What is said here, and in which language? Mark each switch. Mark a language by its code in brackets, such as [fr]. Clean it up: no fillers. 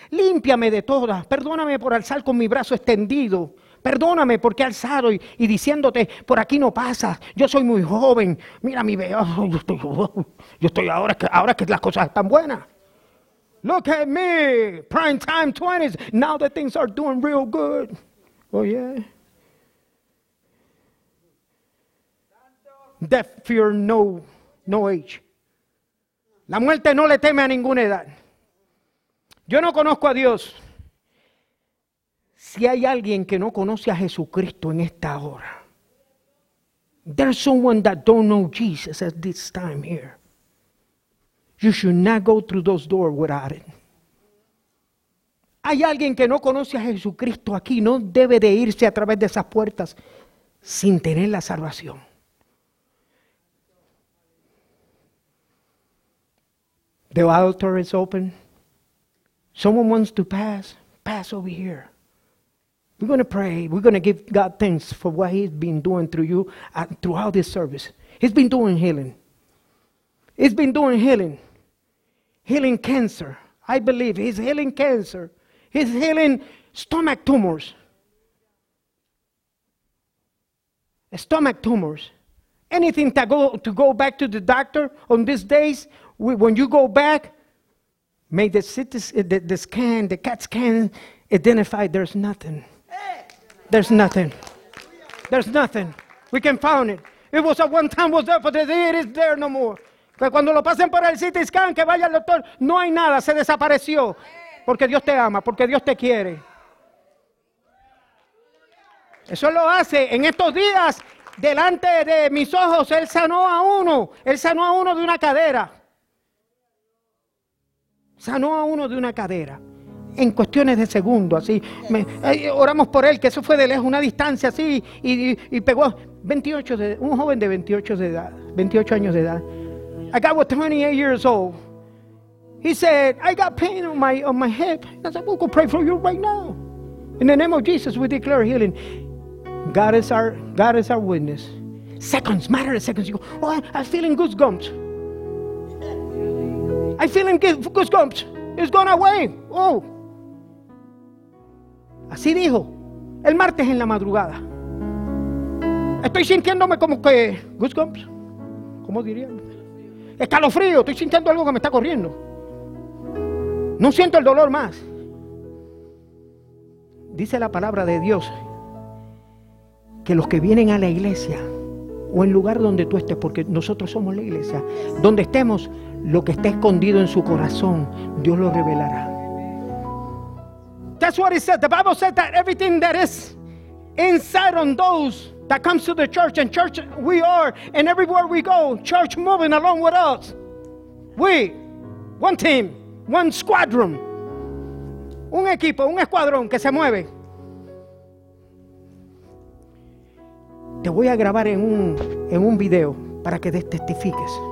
[es] Límpiame de toda. Perdóname por alzar con mi brazo extendido. Perdóname porque he alzado y diciéndote, por aquí no pasa. Yo soy muy joven. Mira mi bebé. Oh, yo estoy ahora que las cosas están buenas. [en] Look at me. Prime time 20s. Now that things are doing real good. Oh, yeah. Death fear no age. [es] La muerte no le teme a ninguna edad. Yo no conozco a Dios. Si hay alguien que no conoce a Jesucristo en esta hora. [en] There's someone that don't know Jesus at this time here. You should not go through those doors without it. [es] Hay alguien que no conoce a Jesucristo aquí. No debe de irse a través de esas puertas sin tener la salvación. [en] The altar is open. Someone wants to pass over here. We're going to pray. We're going to give God thanks for what he's been doing through you and throughout this service. He's been doing healing. He's been doing healing. Healing cancer. I believe he's healing cancer. He's healing stomach tumors. Stomach tumors. Anything to go back to the doctor on these days, when you go back, may the scan, the CAT scan, identify there's nothing. There's nothing. There's nothing. We can find it. It was a one time was there, but today it is there no more. [es] Que cuando lo pasen por el CT scan, que vaya al doctor, no hay nada, se desapareció. Porque Dios te ama, porque Dios te quiere. Eso lo hace en estos días, delante de mis ojos, Él sanó a uno. Él sanó a uno de una cadera. Sanó a uno de una cadera. En cuestiones de segundo, así. Oramos por él, que eso fue de lejos, una distancia así. Y pegó un joven de 28 de edad, 28 años de edad. [en] A guy was 28 years old. He said, I got pain on my hip. I said, we'll go pray for you right now. In the name of Jesus, we declare healing. God is our witness. Seconds, matter of seconds. You go, oh, I'm feeling goosebumps. I'm feeling goosebumps. It's gone away. Oh. [es] Así dijo. El martes en la madrugada. Estoy sintiéndome como que goosebumps. ¿Cómo dirían? Escalofrío. Estoy sintiendo algo que me está corriendo. No siento el dolor más. Dice la palabra de Dios. Que los que vienen a la iglesia. O el lugar donde tú estés. Porque nosotros somos la iglesia. Donde estemos. Lo que está escondido en su corazón, Dios lo revelará. [en] That's what it says. The Bible says that everything that is inside on those that comes to the church, and church we are, and everywhere we go, church moving along with us. We, one team, one squadron. [es] Un equipo, un escuadrón que se mueve. Te voy a grabar en un video para que testifiques.